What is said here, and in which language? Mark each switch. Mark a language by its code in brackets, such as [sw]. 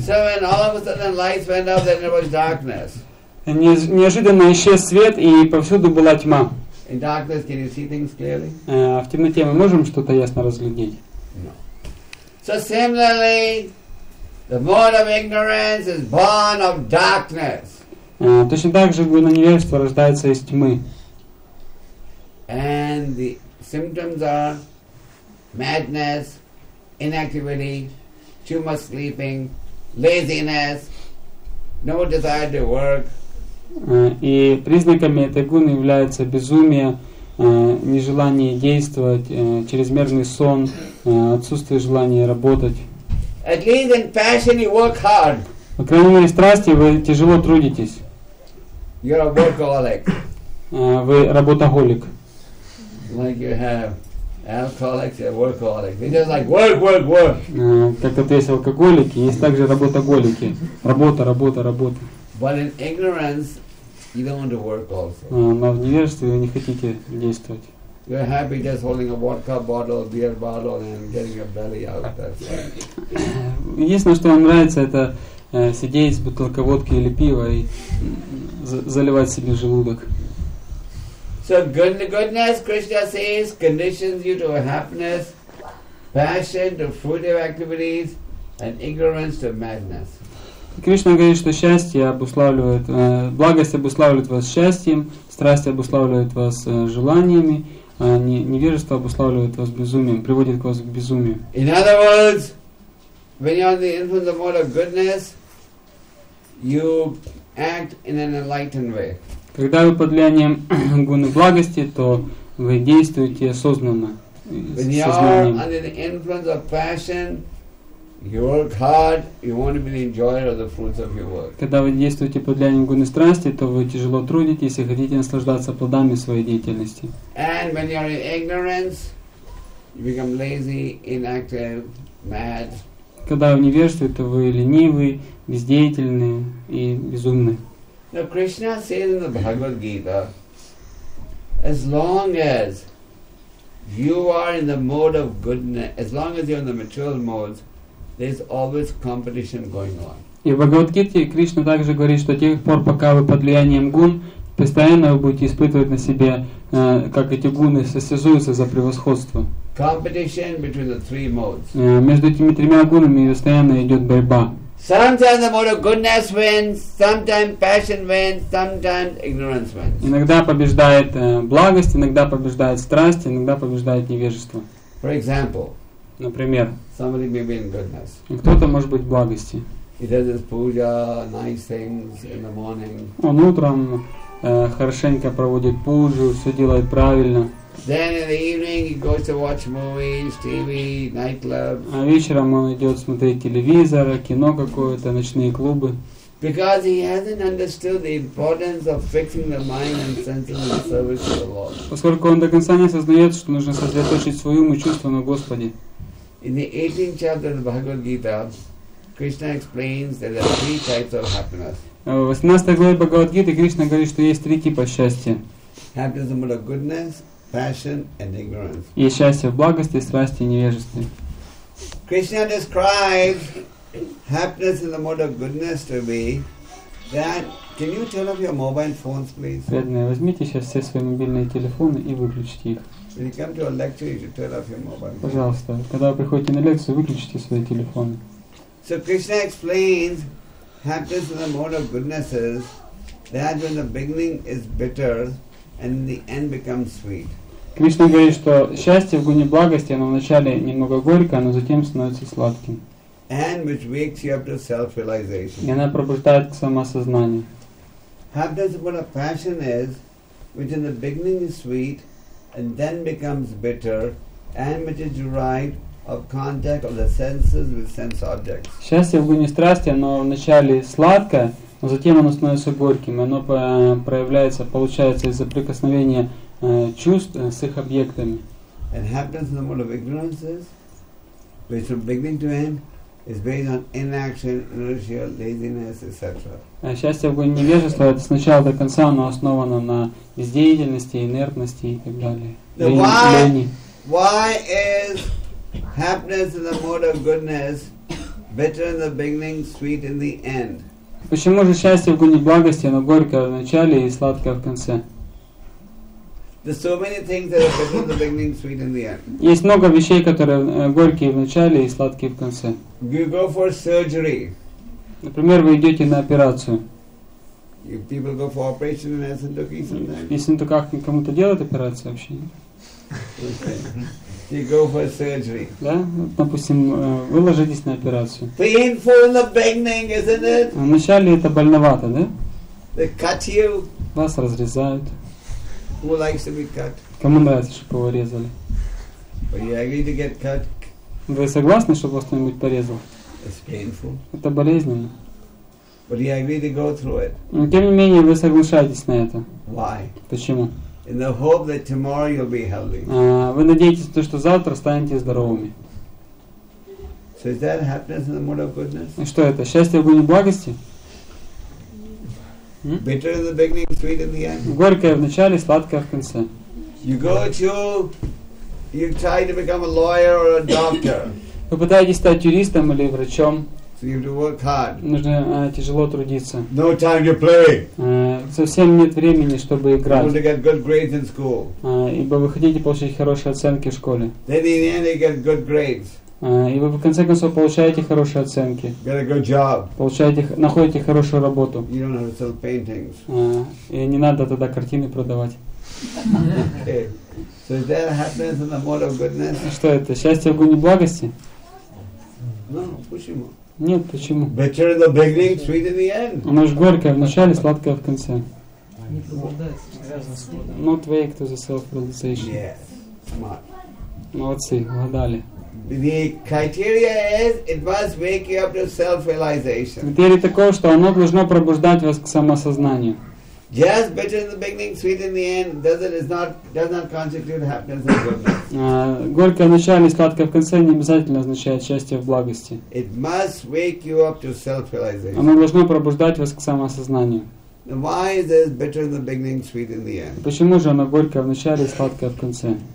[en] So when all of a sudden lights went off, then there was darkness. [ru] Неожиданно исчез свет и повсюду была тьма. [en] In darkness, can you see things clearly? [ru] В темноте мы можем что-то ясно разглядеть? [en] No. So similarly, the mode of ignorance is born of darkness. [ru] Точно так же гуна невежества рождается из тьмы. [en] And the symptoms are madness, inactivity, too much sleeping, laziness, no desire to work. [ru] И признаками этой гуны является безумие, нежелание действовать, чрезмерный сон, отсутствие желания работать. [en] At least in passion you work hard. [ru] По крайней мере, в страсти вы тяжело трудитесь. [en] You're a workaholic. [ru] Вы работоголик. [en] Like you have alcoholics, you're workaholics. You're just like work, work, work. [ru] Как это есть алкоголики, есть также работоголики. Работа, работа, работа. [en] But in ignorance, you don't want to work also. [ru] Но в невежестве вы не хотите действовать. [en] You're happy just holding a vodka bottle, beer bottle, and getting your belly out. That's right. [ru] Единственное, что вам нравится, это сидеть с бутылкой водки или пива и заливать себе желудок. [en] So goodness, Krishna says, conditions you to happiness, passion to fruitive activities, and ignorance to madness. [ru] Кришна говорит, что счастье обуславливает, благость обуславливает вас счастьем, страсть обуславливает вас желаниями, а невежество обуславливает вас безумием, приводит к вас к безумию. [en] In other words, when you're in the influence of the mode of goodness, you act in an enlightened way. [ru] Когда вы под влиянием гуны благости, то вы действуете осознанно. [en] When you're under the influence of passion, you work hard, you want to be the enjoyer of the fruits of your work. [ru] Когда вы действуете под влиянием гуны страсти, то вы тяжело трудитесь и хотите наслаждаться плодами своей деятельности. [en] And when you are in ignorance, you become lazy, inactive, mad. [ru] Когда вы в невежестве, то вы ленивы, бездеятельны и безумны. [en] Now Krishna says in the Bhagavad Gita, as long as you are in the mode of goodness, as long as you're in the material modes, there's always competition going on. [ru] И в Бхагавад-гите Кришна также говорит, что тех пор, пока вы под влиянием гун, постоянно вы будете испытывать на себе, как эти гуны состязаются за превосходство. [en] Competition between the three modes. [ru] Между этими тремя гунами постоянно идет борьба. [en] Sometimes the mode of goodness wins, sometimes passion wins, sometimes ignorance wins. [ru] Иногда побеждает благость, иногда побеждает страсть, иногда побеждает невежество. [en] For example. [ru] Например, [en] somebody may be in goodness. [ru] Кто-то может быть в благости. [en] He does his puja, nice things in the morning. [ru] Он утром хорошенько проводит пуджу, все делает правильно. [en] Then in the evening he goes to watch movies, TV, nightclub. [ru] А вечером он идет смотреть телевизор, кино какое-то, ночные клубы. [en] Because he hasn't understood the importance of fixing the mind and senses in service to the Lord. [ru] Поскольку он до конца не осознает, что нужно сосредоточить свой ум и чувства на Господе. [en] In the 18th chapter of the Bhagavad Gita, Krishna explains that there are three types of happiness. [ru] В 18 главе Бхагавад Гиты Кришна говорит, что есть три типа счастья. [en] Happiness in the mode of goodness, passion and ignorance. [ru] Есть счастье в благости, страсти и невежестве. [en] Krishna describes happiness in the mode of goodness to be that Can you turn off your mobile phones, please? [ru] Бедные, возьмите сейчас все свои мобильные телефоны и выключите их. [en] When you come to a lecture, you should turn off your mobile phones. [ru] Пожалуйста, когда вы приходите на лекцию, выключите свои телефоны. [en] So Krishna explains happiness in the mode of goodnesses that when the beginning is bitter and the end becomes sweet. [ru] Кришна говорит, что счастье в гуне благости, оно вначале немного горькое, но затем становится сладким. And which wakes you up to self-realization. И она пробуждает к самосознанию. [en] Happiness upon a passion is, which in the beginning is sweet, and then becomes bitter, and which is derived of contact of the senses with sense objects. [ru] Счастье в гуне страсти, оно вначале сладкое, но затем оно становится горьким, и оно проявляется, получается из-за прикосновения чувств с их объектами. [en] And happiness in the mode of ignorance is, which from beginning to end, is based on inaction, inertia, laziness, etc. [ru] Счастье в гуне невежества это сначала до конца, оно основано на бездеятельности, инертности и так далее. [en] Why is happiness in the mode of goodness bitter in the beginning, sweet in the end? [ru] Почему же счастье в гуне благости, оно горькое в начале и сладкое в конце? [en] There's so many things that are bitter in the beginning, sweet in the end. [ru] Есть много вещей, которые горькие в начале и сладкие в конце. [en] You go for surgery. [ru] Например, вы идете на операцию. [en] If people go for operation in Sindhuki sometimes. [ru] Если только как кому-то делают операцию вообще. [en] Okay. You go for surgery. [ru] Да? Вот, допустим, вы ложитесь на операцию. [en] Painful in the beginning, isn't it? [ru] В начале это больновато, да? [en] They cut you. [ru] Вас разрезают. [en] Who likes to be cut? [ru] Кому нравится, чтобы его резали? [en] But you agree to get cut? [ru] Вы согласны, чтобы вас кто-нибудь порезал? [en] It's painful. [ru] Это болезненно. [en] But you agree to go through it? [ru] Но тем не менее вы соглашаетесь на это. [en] Why? [ru] Почему? [en] In the hope that tomorrow you'll be healthy. [ru] Вы надеетесь, что завтра станете здоровыми. [en] So is that happiness in the mode of goodness? [ru] И что это? Счастье в гуне благости? [en] Bitter in the beginning, sweet in the end. [ru] Горькое в начале, сладкое в конце. [en] You go to, you try to become a lawyer or a doctor. [ru] Вы пытаетесь стать юристом или врачом. [en] So you have to work hard. [ru] Нужно тяжело трудиться. [en] No time to play. [ru] Совсем нет времени, чтобы играть. [en] You want to get good grades in school. [ru] Ибо вы хотите получить хорошие оценки в школе. [en] Then in the end you get good grades. [ru] И вы в конце концов получаете хорошие оценки. [en] Get a good job. [ru] Получаете, находите хорошую работу. [en] You don't have to sell paintings. [ru] И не надо тогда картины продавать. [en] Okay. So is that happiness in the mode of goodness? [ru] Что это? Счастье в гуне благости? [en] No, [ru] почему? Нет, почему? [en] Bitter in the beginning, sweet in the end. [ru] Оно же горькое в начале, сладкое в конце. [en] Not way to the self-realization. Yes. Smart. [ru] Молодцы, угадали. [en] The criteria is it must wake you up to self-realization. [ru] Критерий такой, что оно должно пробуждать вас к самосознанию. [en] Yes, bitter in the beginning, sweet in the end, does not constitute happiness and goodness. [ru] Горькое в начале, сладкое в конце не обязательно означает счастье в благости. [en] It must wake you up to self-realization. [ru] Оно должно пробуждать вас к самосознанию. [en] Why is this bitter in the beginning, sweet in the end? [ru] Почему же оно горькое в начале, сладкое в конце?